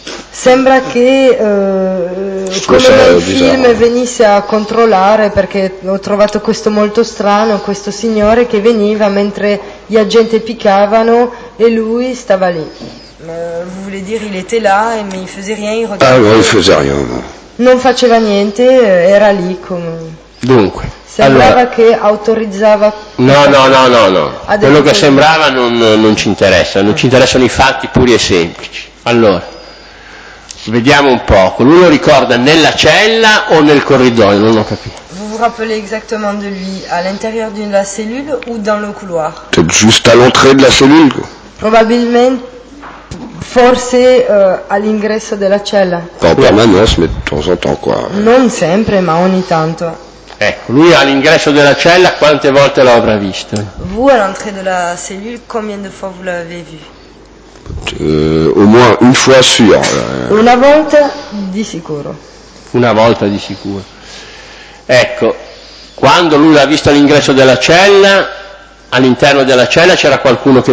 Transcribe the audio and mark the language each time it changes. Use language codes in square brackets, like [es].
[it] Sembra che come nel film venisse a controllare, perché ho trovato questo molto strano, questo signore che veniva mentre gli agenti picchiavano e lui stava lì. [fr] Vous voulez dire il était là mais il faisait rien, il regardait. Ah, il faisait rien. Non. [it] Non faceva niente, era lì come. Dunque, sembrava allora, che autorizzava. No. Quello che sembrava non ci interessa, non ci interessano i fatti puri e semplici. Allora, vediamo un po'. Lui lo ricorda nella cella o nel corridoio? Non ho capito. [fr] Vous vous rappelez exactement de lui à l'intérieur de la cellule ou dans le couloir? Peut-être juste à l'entrée de la cellule. Probablement. [it] Forse all'ingresso della cella. [fr] En permanence, mais de temps en temps, quoi. [it] Non sempre, ma ogni tanto. Ecco, lui all'ingresso della cella quante volte l'avrà visto? [fr] Vous à l'entrée de la cellule, combien de fois vous l'avez vu? Au moins une fois sûr. [it] Una volta di sicuro. Una volta di sicuro. Ecco, Quando lui l'ha visto all'ingresso della cella, all'interno della cella c'era qualcuno che